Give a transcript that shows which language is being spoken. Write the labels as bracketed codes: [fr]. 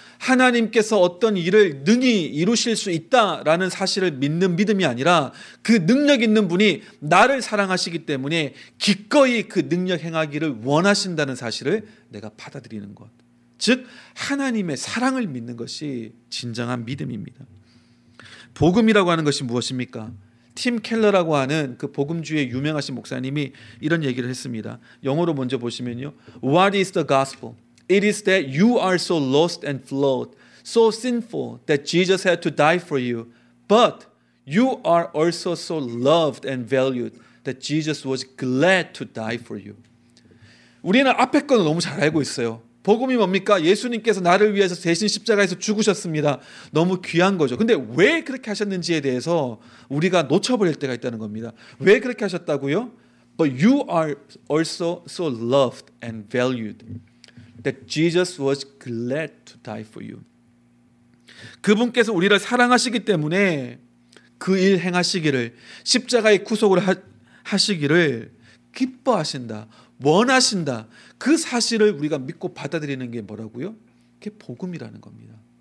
[ko] 하나님께서 어떤 일을 능히 이루실 수 있다라는 사실을 믿는 믿음이 아니라 그 능력 있는 분이 나를 사랑하시기 때문에 기꺼이 그 능력 행하기를 원하신다는 사실을 내가 받아들이는 것. 즉 하나님의 사랑을 믿는 것이 진정한 믿음입니다. 복음이라고 하는 것이 무엇입니까? 팀 켈러라고 하는 그 복음주의 유명하신 목사님이 이런 얘기를 했습니다. 영어로 먼저 보시면요. [en] What is the gospel? It is that you are so lost and flawed, so sinful that Jesus had to die for you. But you are also so loved and valued that Jesus was glad to die for you. [ko] 우리는 앞에 거는 너무 잘 알고 있어요. 복음이 뭡니까? 예수님께서 나를 위해서 대신 십자가에서 죽으셨습니다. 너무 귀한 거죠. 근데 왜 그렇게 하셨는지에 대해서 우리가 놓쳐버릴 때가 있다는 겁니다. 왜 그렇게 하셨다고요? [en] But you are also so loved and valued that Jesus was glad to die for you. [ko] 그분께서 우리를 사랑하시기 때문에 그 일 행하시기를, 십자가의 구속을 하시기를 기뻐하신다, 원하신다. 그 사실을 우리가 믿고 받아들이는 게 뭐라고요? 그게 복음이라는 겁니다.